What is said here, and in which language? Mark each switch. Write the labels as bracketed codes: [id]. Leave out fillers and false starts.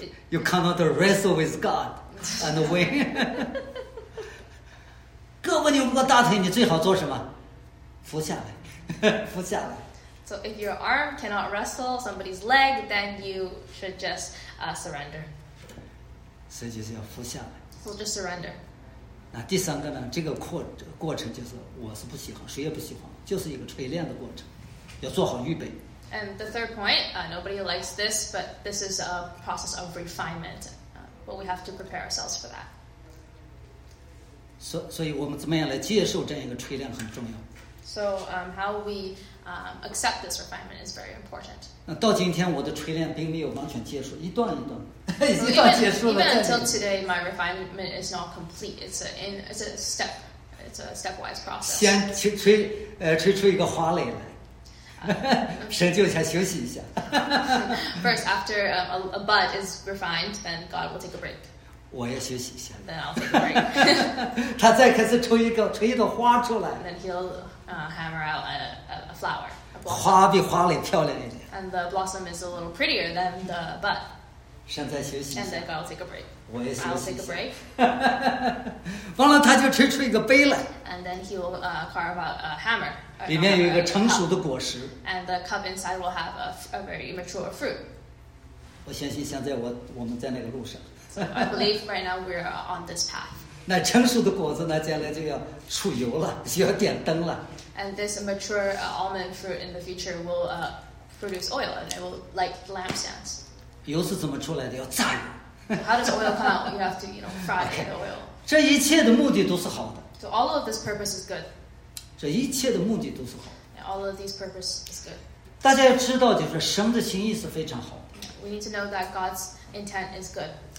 [en] You cannot wrestle with God and win. [zh] 胳膊扭不过大腿，你最好做什么？伏下来，伏下来。 [en] So if your arm cannot wrestle somebody's leg, then you should just surrender. [zh] 所以就是要伏下来。 [en] So just surrender. [zh] 那第三个呢？这个过程就是我是不喜欢，谁也不喜欢，就是一个锤炼的过程，要做好预备。 [en] And the third point, nobody likes this, but this is a process of refinement. But we have to prepare ourselves for that. So we [zh] 怎么样来接受这样一个锤炼很重要。 [en] So how we accept this refinement is very important. [zh] 那到今天我的锤炼并没有完全结束，一段一段， [en] Even until today, my refinement is not complete. It's a stepwise process. [zh] 先吹出一个花蕾来。神就想休息一下。 [en] First, after a bud is refined, then God will take a break. [zh] 我要休息一下。 [en] Then I'll take a break. [zh] 他再开始吹一朵花出来。 [en] And then he'll hammer out a flower. A [zh] 花比花蕾漂亮一点。 [en] And the blossom is a little prettier than the bud. [zh] 神再休息一下。 [en] And then God will take a break. [zh] 我也休息一下。 [en] I'll take a break. [zh] 完了，他就吹出一个杯来。 [en] And then he'll carve out a hammer. [zh] 里面有一个成熟的果实。 [en] And the cup inside will have a very mature fruit. [zh] 我相信现在我们在那个路上。 [en] So I believe right now we're on this path. [zh] 那成熟的果子呢，将来就要出油了，就要点灯了。 [en] And this mature almond fruit in the future will produce oil and it will light lampstands. [zh] 油是怎么出来的？要炸油。 [en] So how does oil come out? You have to, you know, fry the oil. [zh] 这一切的目的都是好的。 [en] So all of this purpose is good. [zh] 这一切的目的都是好。 [en] All of these purpose is good. [zh] 大家要知道，就是神的心意是非常好。 [en] We need to know that God's intent is good.